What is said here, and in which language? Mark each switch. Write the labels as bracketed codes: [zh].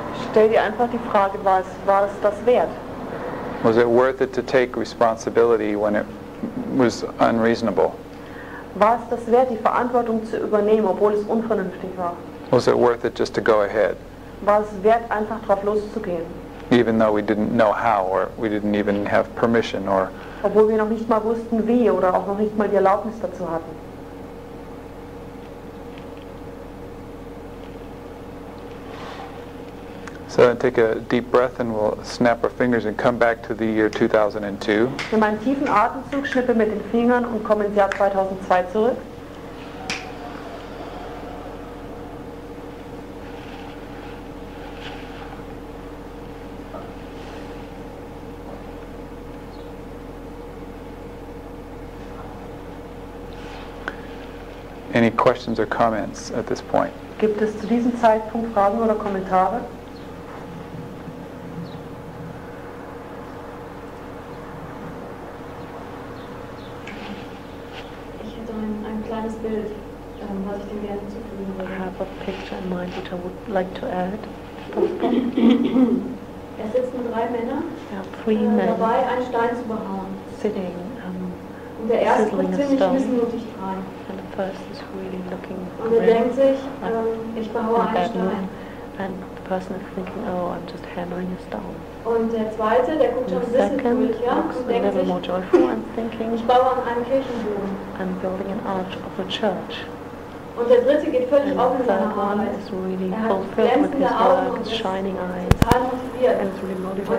[de] Stell dir einfach die Frage, war es das wert? [en] Was it worth it to take responsibility when it was unreasonable? [de] War es das wert, die Verantwortung zu übernehmen, obwohl es unvernünftig war? [en] Was it worth it just to go ahead? [de] War es wert, einfach drauf loszugehen? [en] Even though we didn't know how, or we didn't even have permission, or [de] obwohl wir noch nicht mal wussten wie, oder auch noch nicht mal die Erlaubnis dazu hatten. [en] So then take a deep breath and we'll snap our fingers and come back to the year 2002. [de] Nimm einen tiefen Atemzug, schnippe mit den Fingern und komm ins Jahr 2002 zurück. [en] Any questions or comments at this point? [de] Gibt es zu diesem Zeitpunkt Fragen oder Kommentare? ein kleines Bild, was ich dem gerne hinzufügen würde. [en] I have a picture in mind which I would like to add. [de] Es sitzen drei Männer, [en] three men [de] dabei einen Stein zu behauen. [en] Sitting, [de] und der erste guckt ziemlich missmutig rein. [en] And the first is really looking grim. [de] Und er denkt sich, ich behaue einen Stein. [en] And the person is thinking, oh, I'm just hammering a stone. [de] Und der zweite, der guckt schon ein bisschen glücklicher und denkt sich, [en] thinking, [de] ich baue an einem Kirchenbogen. [en] I'm building an arch of a church. [de] Und der dritte geht völlig offen in seine Arbeit. [en] Is really [de] er hat glänzende Augen und ist [en] shining eyes. [de] Total motiviert. [en] And really motivated.